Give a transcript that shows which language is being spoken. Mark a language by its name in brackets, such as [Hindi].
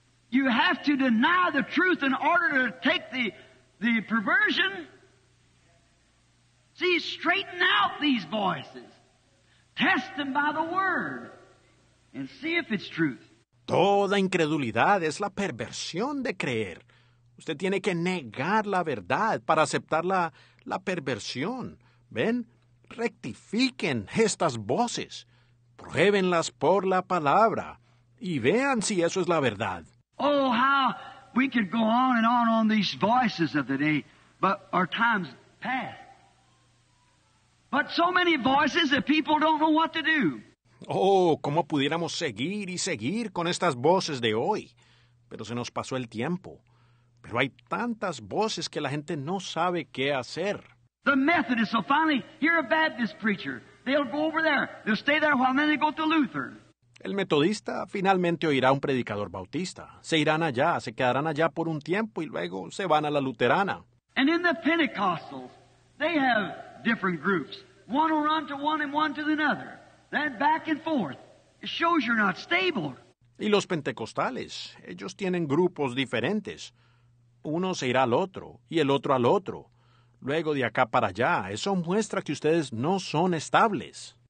[English] You have to deny the truth in order to take the perversion. See, straighten out these voices. Test them by the word and see if it's truth. [Spanish] Toda incredulidad es la perversión de creer. Usted tiene que negar la verdad para aceptar la perversión. ¿Ven? Rectifiquen estas voces. Pruébenlas por la palabra y vean si eso es la verdad. [English] Oh, how we could go on and on these voices of the day, but our time's past. But so many voices that people don't know what to do. [Spanish] Oh, cómo pudiéramos seguir y seguir con estas voces de hoy. Pero se nos pasó el tiempo. Pero hay tantas voces que la gente no sabe qué hacer. [English] The Methodists will finally hear a Baptist preacher. They'll go over there. They'll stay there while then they go to Luther. [Spanish] El metodista finalmente oirá a un predicador bautista. Se irán allá, se quedarán allá por un tiempo y luego se van a la luterana. [English] And in the Pentecostals, they have different groups. One will run to one and one to the other. Then back and forth. It shows you're not stable. [Spanish] Y los pentecostales, ellos tienen grupos diferentes. Uno se irá al otro y el otro al otro. Luego de acá para allá, eso muestra que ustedes no son estables.